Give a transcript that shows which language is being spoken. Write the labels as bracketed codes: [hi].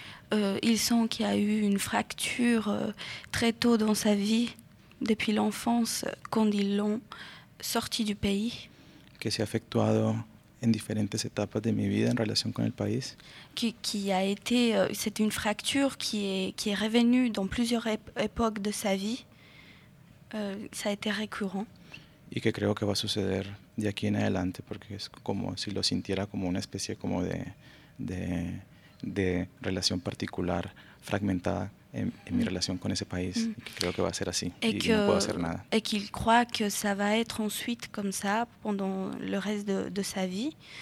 [fr] Il sent qu'il y a eu une fracture très tôt dans sa vie, depuis l'enfance, quand ils l'ont sorti du pays. [es] Que se ha efectuado en diferentes etapas de mi vida en relación con el país. [fr] C'est une fracture qui est revenue dans plusieurs époques de sa vie. Ça a été récurrent. [es] Y que creo que va a suceder de aquí en adelante, porque es como si lo sintiera como una especie como de relación particular fragmentada en mi relación con ese país. Creo que va a ser así y no puedo hacer nada. [fr] Et qu'il croit que ça va être ensuite comme ça pendant le reste de sa vie.